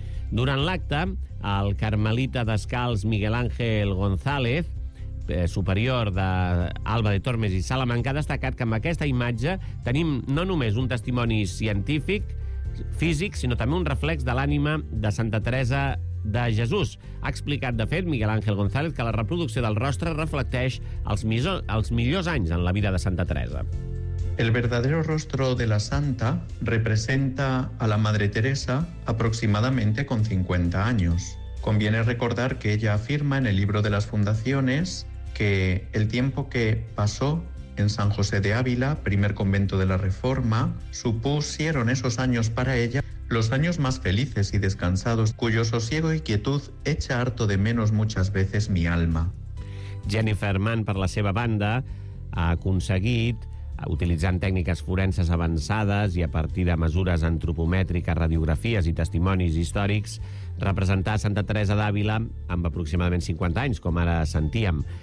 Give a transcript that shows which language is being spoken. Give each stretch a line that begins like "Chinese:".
Catalan: Durant l'acte, el carmelita descalç Miguel Ángel González, superior d'Alba de Tormes i Salamanca, ha destacat que amb aquesta imatge tenim no només un testimoni científic, físic, sinó també un reflex de l'ànima de Santa Teresa de Jesús. Ha explicat, de fet, Miguel Ángel González, que la reproducció del rostre reflecteix els millors anys en la vida de Santa Teresa.
Spanish: El verdadero rostro de la santa representa a la Madre Teresa aproximadamente con 50 años. Conviene recordar que ella afirma en el libro de las fundaciones que el tiempo que pasó en San José de Ávila, primer convento de la Reforma, supusieron esos años para ella los años más felices y descansados, cuyo sosiego y quietud echa harto de menos muchas veces mi alma.
Catalan: Jennifer Mann, per la seva banda, ha aconseguit, utilitzant tècniques forenses avançades i a partir de mesures antropomètriques, radiografies i testimonis històrics, representar Santa Teresa d'Àvila amb aproximadament 50 anys, com ara sentíem.